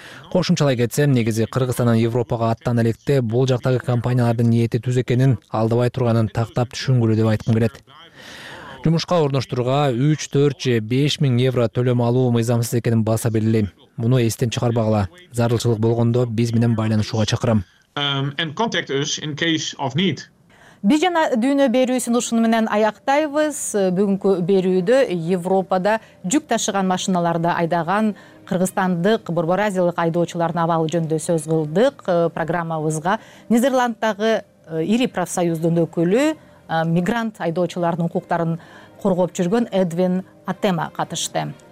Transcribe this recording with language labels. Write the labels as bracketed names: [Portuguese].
[Kyrgyz] Кошумчалай кетсем, негизи Кыргызстандан Европага аттан электе бул жактагы компаниялардын ниети түз экенин, алдабай турганын тактап түшүнгүлө деп айткым келет. Жумушка орноштурууга 3, 4 же 5 миң евро төлөм алуу мыйзамсыз экенин баса белгилейм. Муну эстен чыгарбагыла. Зарылчылык болгондо биз менен байланышууга чакырам. [English] And contact us in case of need. [Kyrgyz] Биз жана дүйнө берүүсүн ушуну менен аяктайбыз. Бүгүнкү берүүдө Европада жүк ташыган машиналарды айдаган кыргызстандык борбораазиялык айдоочулардын абалы жөнүндө сөз кылдык. Программабызга Нидерланддагы ири профсоюздун өкүлү, мигрант айдоочулардын укуктарын коргоп жүргөн Эдвин Атема катышты.